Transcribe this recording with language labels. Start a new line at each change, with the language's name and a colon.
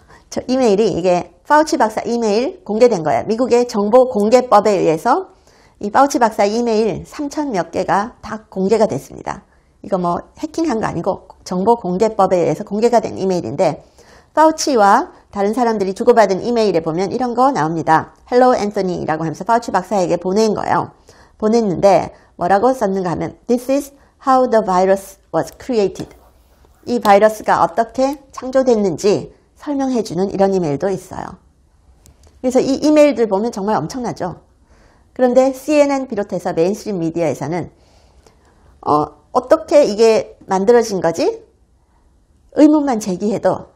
Korean: 저 이메일이 이게 파우치 박사 이메일 공개된 거예요. 미국의 정보 공개법에 의해서 이 파우치 박사 이메일 3천 몇 개가 다 공개가 됐습니다. 이거 뭐 해킹한 거 아니고 정보공개법에 의해서 공개가 된 이메일인데, 파우치와 다른 사람들이 주고받은 이메일에 보면 이런 거 나옵니다. Hello, Anthony라고 하면서 파우치 박사에게 보낸 거예요. 보냈는데 뭐라고 썼는가 하면,
English: This is how the virus was created.
Korean: 이 바이러스가 어떻게 창조됐는지 설명해 주는 이런 이메일도 있어요. 그래서 이 이메일들 보면 정말 엄청나죠? 그런데 CNN 비롯해서 메인스트림 미디어에서는 어떻게 이게 만들어진 거지? 의문만 제기해도